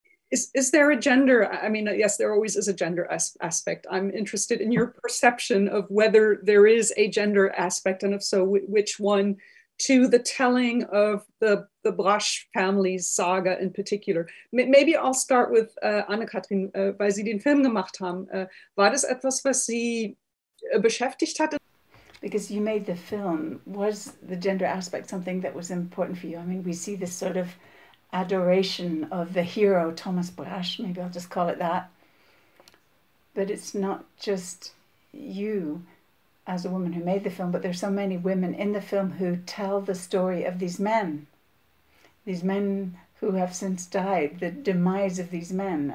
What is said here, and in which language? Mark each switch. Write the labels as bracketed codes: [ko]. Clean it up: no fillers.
[en] Is there a gender? I mean, yes, there always is a gender aspect. I'm interested in your perception of whether there is a gender aspect, and if so, which one, to the telling of the Brasch family's saga in particular. Maybe I'll start with Annekatrin, [de] weil Sie den Film gemacht haben. War das etwas, was Sie beschäftigt hat? [en] Because you made the film, was the gender aspect something that was important for you? I mean, we see this sort of adoration of the hero, Thomas Brasch, maybe I'll just call it that. But it's not just you as a woman who made the film, but there's so many women in the film who tell the story of these men who have since died, the demise of these men.